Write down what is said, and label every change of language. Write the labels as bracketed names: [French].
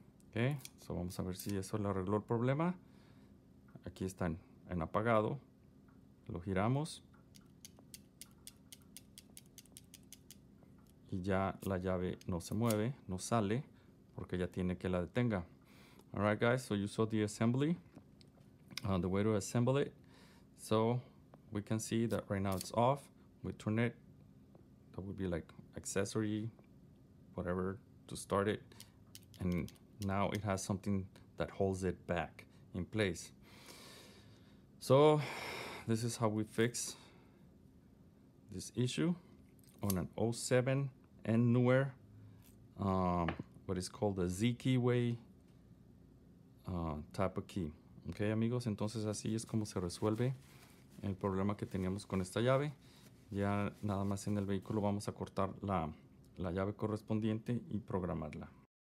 [Spanish] Ok, so vamos a ver si eso le arregló el problema. Aquí está en apagado, lo giramos. Y ya la llave no se mueve, no sale, porque ya tiene que la detenga. [English] All right, guys, so you saw the assembly, the way to assemble it. So we can see that right now it's off. We turn it, that would be like accessory, whatever, to start it. And now it has something that holds it back in place. So this is how we fix this issue on an 07. And newer, what is called a Z keyway type of key. [Spanish] Okay, amigos, entonces así es como se resuelve el problema que teníamos con esta llave. Ya nada más en el vehículo vamos a cortar la llave correspondiente y programarla.